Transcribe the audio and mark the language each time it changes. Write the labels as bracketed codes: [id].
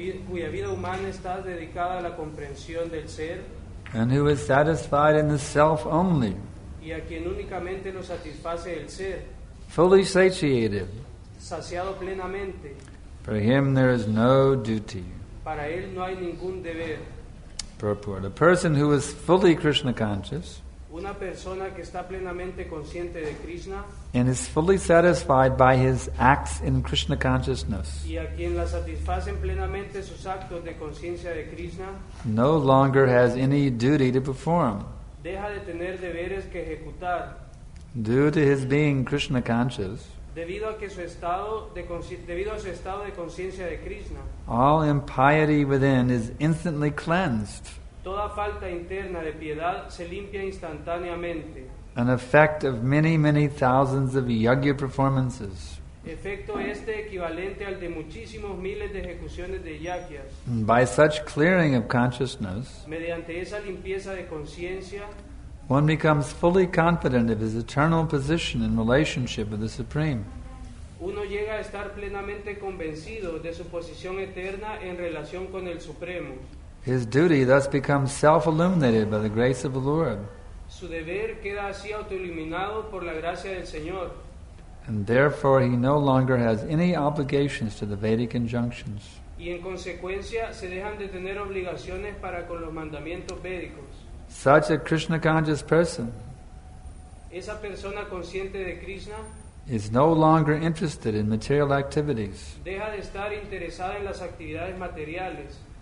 [es] cuya vida humana está dedicada a la comprensión del ser, [en] and who is satisfied in the self only, [es] y a quien únicamente lo satisface el ser, [en] fully satiated, [es] saciado plenamente, [en] for him there is no duty. [es] Para él no hay ningún deber. [en] Purport. A person who is fully Krishna conscious, [es] una persona que está plenamente consciente de Krishna, [en] and is fully satisfied by his acts in Krishna consciousness, [es] y a quien la satisfacen plenamente sus actos de conciencia de Krishna, [en] no longer has any duty to perform. [es] deja de tener deberes que ejecutar. [en] Due to his being Krishna conscious, [es] debido a su estado de conciencia de Krishna, [en] all impiety within is instantly cleansed. [es] Toda falta interna de piedad se limpia instantáneamente. [en] An effect of many, many thousands of yajna performances. [es] Efecto este equivalente al de muchísimos miles de ejecuciones de yajnas. [en] By such clearing of consciousness, [es] mediante esa limpieza de conciencia, [en] one becomes fully confident of his eternal position in relationship with the Supreme. [es] Uno llega a estar plenamente convencido de su posición eterna en relación con el Supremo. [en] His duty thus becomes self-illuminated by the grace of the Lord. [es] Su deber queda así autoiluminado por la gracia del Señor. [en] And therefore he no longer has any obligations to the Vedic injunctions. [es] Y en consecuencia se dejan de tener obligaciones para con los mandamientos védicos. [en] Such a Krishna conscious person, [es] esa persona consciente de Krishna, [en] is no longer interested in material activities. [es] Deja de estar interesada en las actividades materiales.